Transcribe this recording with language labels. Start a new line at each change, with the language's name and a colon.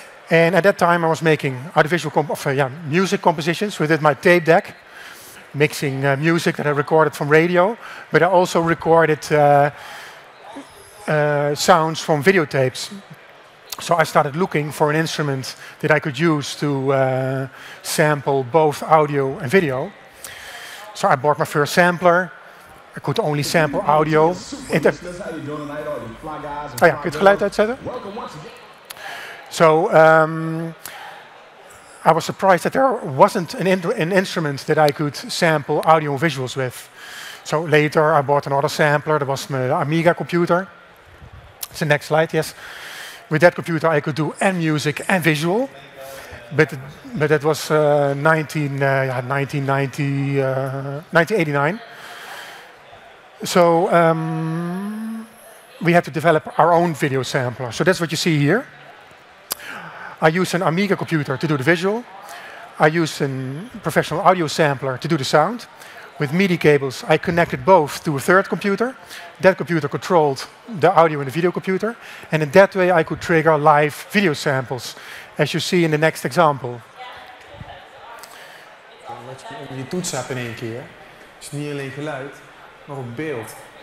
English: And at that time, I was making music compositions with my tape deck, mixing music that I recorded from radio. But I also recorded sounds from videotapes. So I started looking for an instrument that I could use to sample both audio and video. So I bought my first sampler. I could only sample audio.
Dutch: Kun je het geluid uitzetten?
English: So I was surprised that there wasn't an instrument that I could sample audio and visuals with. So later I bought another sampler, that was my Amiga computer. It's the next slide, yes. With that computer, I could do and music and visual. But that was 1989. So we had to develop our own video sampler. So that's what you see here. I used an Amiga computer to do the visual. I used a professional audio sampler to do the sound. With MIDI cables, I connected both to a third computer. That computer controlled the audio and the video computer. And in that way, I could trigger live video samples, as you see in the next example.
Dutch: Je toetsen hebt in één keer, is niet alleen geluid, maar ook beeld.